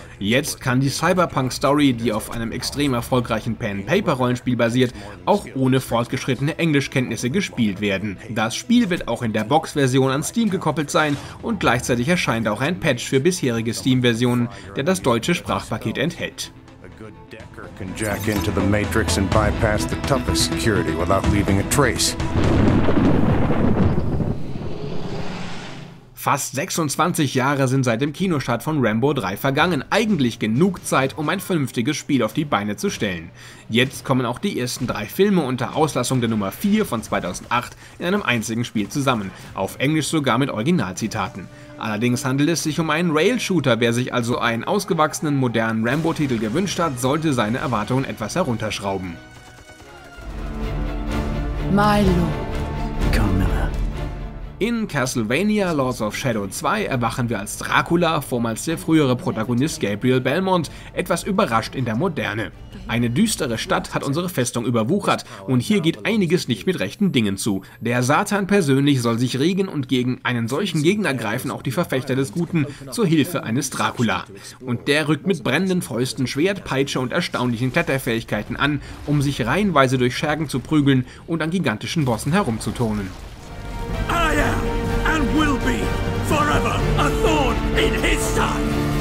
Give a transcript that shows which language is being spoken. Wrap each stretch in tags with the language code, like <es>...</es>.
<de>Jetzt kann die Cyberpunk-Story, die auf einem extrem erfolgreichen Pen-Paper-Rollenspiel basiert, auch ohne fortgeschrittene Englischkenntnisse gespielt werden. Das Spiel wird auch in der Box-Version an Steam gekoppelt sein und gleichzeitig erscheint auch ein Patch für bisherige Steam-Versionen, der das deutsche Sprachpaket enthält.</de> <en>Can jack into the Matrix and bypass the toughest security without leaving a trace.</en> <de>Fast 26 Jahre sind seit dem Kinostart von Rambo 3 vergangen, eigentlich genug Zeit, um ein vernünftiges Spiel auf die Beine zu stellen. Jetzt kommen auch die ersten 3 Filme unter Auslassung der Nummer 4 von 2008 in einem einzigen Spiel zusammen, auf Englisch sogar mit Originalzitaten. Allerdings handelt es sich um einen Rail-Shooter, wer sich also einen ausgewachsenen, modernen Rambo-Titel gewünscht hat, sollte seine Erwartungen etwas herunterschrauben. Milo. In Castlevania Lords of Shadow 2 erwachen wir als Dracula, vormals der frühere Protagonist Gabriel Belmont, etwas überrascht in der Moderne. Eine düstere Stadt hat unsere Festung überwuchert und hier geht einiges nicht mit rechten Dingen zu. Der Satan persönlich soll sich regen und gegen einen solchen Gegner greifen auch die Verfechter des Guten zur Hilfe eines Dracula. Und der rückt mit brennenden Fäusten, Schwert, Peitsche und erstaunlichen Kletterfähigkeiten an, um sich reihenweise durch Schergen zu prügeln und an gigantischen Bossen herumzuturnen.</de> <en>I am and will be forever a thorn in his side.</en>